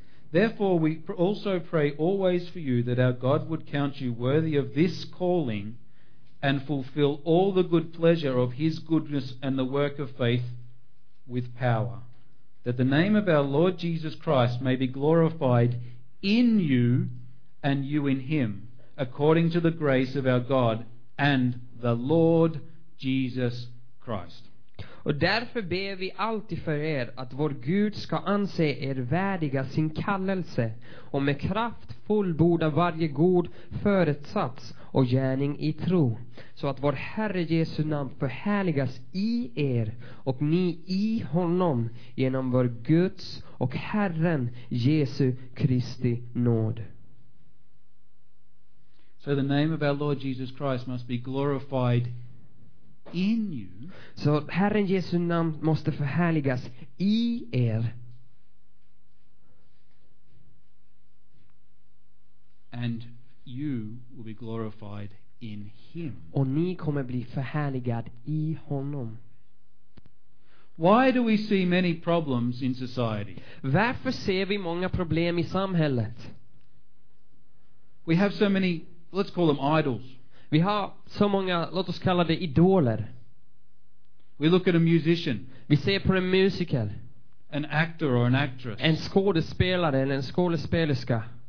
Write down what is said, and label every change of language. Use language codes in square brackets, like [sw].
[en] Therefore we also pray always for you that our God would count you worthy of this calling and fulfill all the good pleasure of his goodness and the work of faith with power, that the name of our Lord Jesus Christ may be glorified in you and you in him, according to the grace of our God and the Lord Jesus Christ. [sv] Och därför ber vi alltid för er att vår Gud ska anse er värdiga sin kallelse och med kraft fullborda varje god förutsats och gärning I tro, så att vår Herre Jesu namn förhärligas i er och ni i honom genom vår Guds och Herren Jesu Kristi nåd. [en] So the name of our Lord Jesus Christ must be glorified in you. [sv] Så Herren Jesu namn måste förhärligas I er. [en] And you will be glorified in him. [sv] Och ni kommer bli förhärligad I honom. [en] Why do we see many problems in society? [sv] Varför ser vi många problem I samhället? [en] We have so many, let's call them idols. [sv] Vi har så många, låt oss kalla det idoler. [en] We look at a musician. [sv] Vi ser på en musiker. [en] An actor or an actress. [sv] En skådespelare eller en skådespelerska.